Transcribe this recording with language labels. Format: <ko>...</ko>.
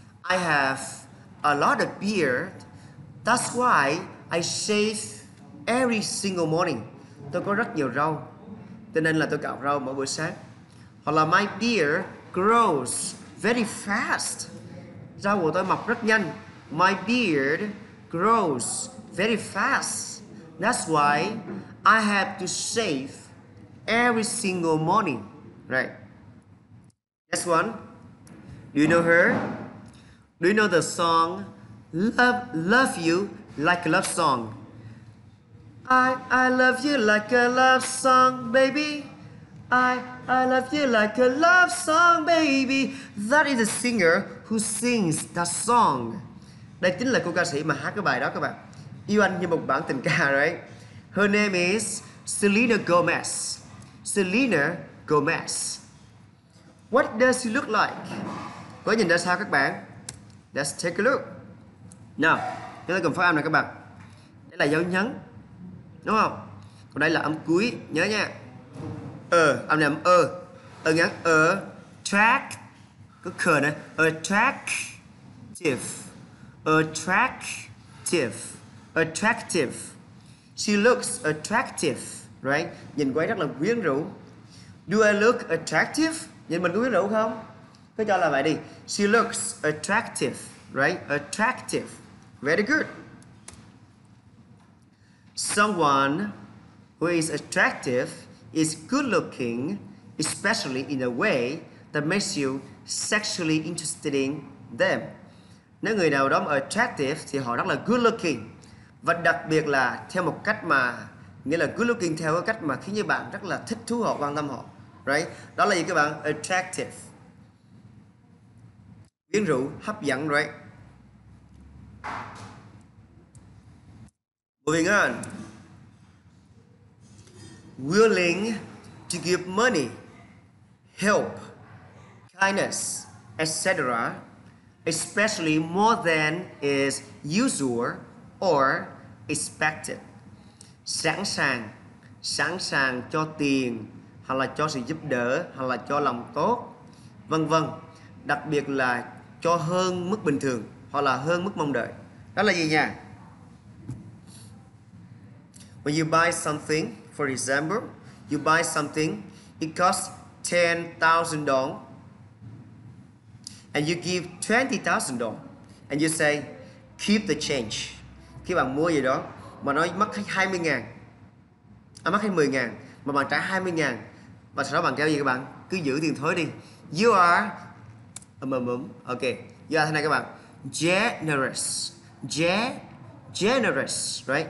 <en>I have a lot of beard. That's why I shave every single morning.</en> <vi>Tôi có rất nhiều râu. Cho nên là tôi cạo râu mỗi buổi sáng. Hoặc là</vi> <en>my beard grows very fast.</en> <vi>Râu của tôi mọc rất nhanh.</vi> <en>My beard grows very fast. That's why I have to shave every single morning. Right. Next one. Do you know her? Do you know the song Love You Like a Love Song? I love you like a love song, baby. I love you like a love song, baby. That is the singer who sings that song.</en> <vi>Đây chính là cô ca sĩ mà hát cái bài đó các bạn. Yêu anh như một bản tình ca, right?</vi> <en>Her name is Selena Gomez. Selena Gomez. What does she look like?</en> <vi>Có nhìn ra sao các bạn?</vi> <en>Let's take a look.</en> <vi>Now, chúng ta cần phát âm này các bạn. Đây là dấu nhấn, đúng không? Còn đây là âm cuối, nhớ nha. Âm này âm ơ. Ơ ngắn ơ. Track. Cứ khờ nè.</vi> <en>Attractive. Attractive. Attractive. She looks attractive, right?</en> <vi>Nhìn cô ấy rất là quyến rũ.</vi> <en>Do I look attractive?</en> <vi>Nhìn mình có quyến rũ không? Cứ cho là vậy đi.</vi> <en>She looks attractive, right? Attractive. Very good. Someone who is attractive is good looking, especially in a way that makes you sexually interested in them.</en> <vi>Nếu người nào đó attractive thì họ rất là good looking. Và đặc biệt là theo một cách mà, nghĩa là good looking theo cái cách mà khiến như bạn rất là thích thú họ, quan tâm họ. Right? Đó là gì các bạn? Attractive. Quyến rũ, hấp dẫn, right?</vi> <en>Moving on. Willing to give money, help, kindness, etc., especially more than is usual or expected.</en> <vi>Sẵn sàng cho tiền, hoặc là cho sự giúp đỡ, hoặc là cho lòng tốt, vân vân. Đặc biệt là cho hơn mức bình thường, hoặc là hơn mức mong đợi. Đó là gì nha?</vi> <en>When you buy something, for example, you buy something, it costs $10,000, and you give $20,000, and you say, keep the change.</en> <vi>Khi bạn mua gì đó, mà nó mất 20 ngàn, à mất hay 10 ngàn, mà bạn trả 20 ngàn, và sau đó bạn kêu gì các bạn? Cứ giữ tiền thuế đi.</vi> <en>You are, ok, you are</en> <vi>thế này các bạn,</vi> <en>generous, generous, right?</en>